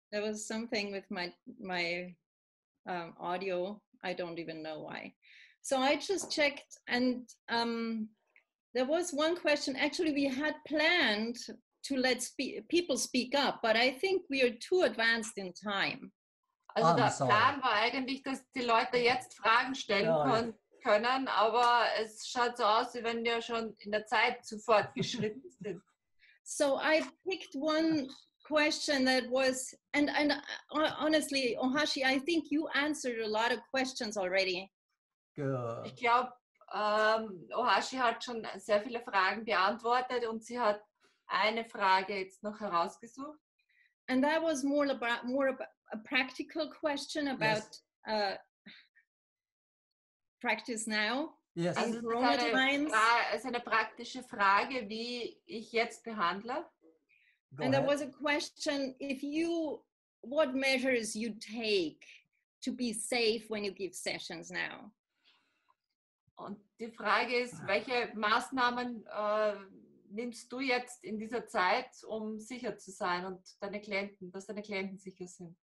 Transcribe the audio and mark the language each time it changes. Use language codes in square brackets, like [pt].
[en] There was something with my audio. I don't even know why. So I just checked and there was one question. Actually, we had planned to let people speak up, but I think we are too advanced in time. [de] Also der Plan war eigentlich, dass die Leute jetzt Fragen stellen können, aber es schaut so aus, wie wenn wir schon in der Zeit zu fortgeschritten sind. [en] So I picked one question that was, and honestly, OHASHI, I think you answered a lot of questions already. Good. [de] Ich glaube, OHASHI hat schon sehr viele Fragen beantwortet und sie hat eine Frage jetzt noch herausgesucht. [en] And that was more about a practical question about practice now. Yes. Also Corona Times. [de] Es ist eine praktische Frage, wie ich jetzt behandle. [en] Go and there was a question, if you, what measures you take to be safe when you give sessions now? [de] Und die Frage ist, welche Maßnahmen nimmst du jetzt in dieser Zeit, um sicher zu sein und deine Klienten, dass deine Klienten sicher sind?